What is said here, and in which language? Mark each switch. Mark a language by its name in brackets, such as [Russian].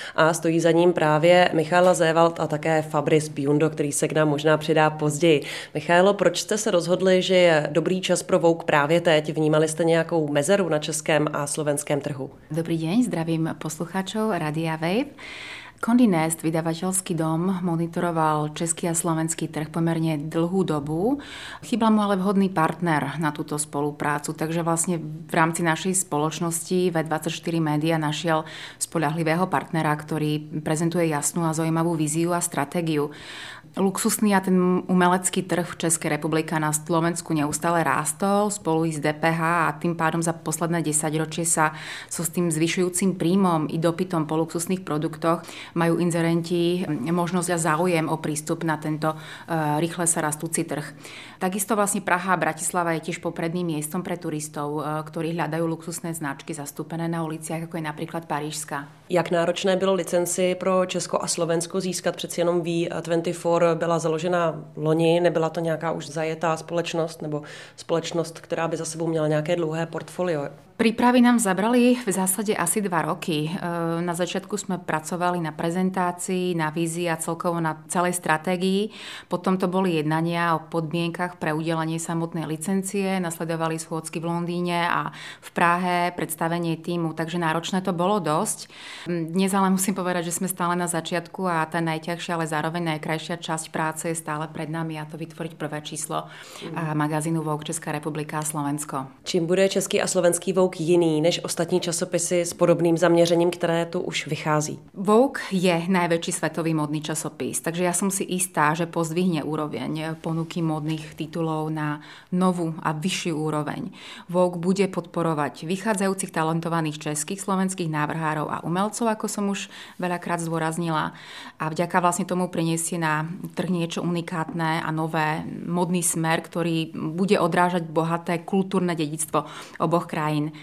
[Czech] A stojí za ním právě Michaela Zévald a také Fabrice Biondo, který se k nám možná přidá později. Michaelo, proč jste se rozhodli, že je dobrý čas pro Vogue právě teď? Vnímali jste nějakou mezeru na českém a slovenském trhu? Dobrý den, zdravím posluchačů Radia Wave. [Slovak] Condé Nast, vydavateľský dom, monitoroval český a slovenský trh pomerne dlhú dobu. Chýbal mu ale vhodný partner na túto spoluprácu, takže vlastne v rámci našej spoločnosti V24 Media našiel spoľahlivého partnera, ktorý prezentuje jasnú a zaujímavú víziu a stratégiu. Luxusný a ten umelecký trh v Českej republike na Slovensku neustále rástol spolu s DPH a tým pádom za posledné 10 ročie sa so s tým zvyšujúcim príjmom i dopytom po luxusných produktoch majú inzerenti možnosť a záujem o prístup na tento rýchle sa rastúci trh. Takisto vlastne Praha a Bratislava je tiež popredným miestom pre turistov, ktorí hľadajú luxusné značky zastúpené na uliciach, ako je napríklad Parížska. [Czech] Jak náročné bylo licenci pro Česko a Slovensko získat? Přeci jenom V24 byla založena loni, nebyla to nějaká už zajetá společnost nebo společnost, která by za sebou měla nějaké dlouhé portfolio? [Slovak] Prípravy nám zabrali v zásade asi 2 roky. Na začiatku sme pracovali na prezentácii, na vízii a celkovo na celej stratégii. Potom to boli jednania o podmienkach pre udelenie samotnej licencie. Nasledovali schôdzky v Londýne a v Prahe, predstavenie týmu. Takže náročné to bolo dosť. Dnes ale musím povedať, že sme stále na začiatku a tá najťažšia, ale zároveň najkrajšia časť práce je stále pred nami, a to vytvoriť prvé číslo magazínu Vogue Česká republika a Slovensko. [Czech] Čím bude český a slovenský Vogue jiný než ostatní časopisy s podobným zaměřením, které tu už vychází? Vogue je největší světový modný časopis, takže já jsem si jistá, že pozdvihne úroveň ponuky modných titulů na novou a vyšší úroveň. Vogue bude podporovat vycházejících talentovaných českých, slovenských návrhářů a umělců, jako jsem už velakrát zdůraznila, a vďaka vlastně tomu přinese na trh něco unikátné a nové modný směr, který bude odrážet bohaté kulturní dědictví obou krajů.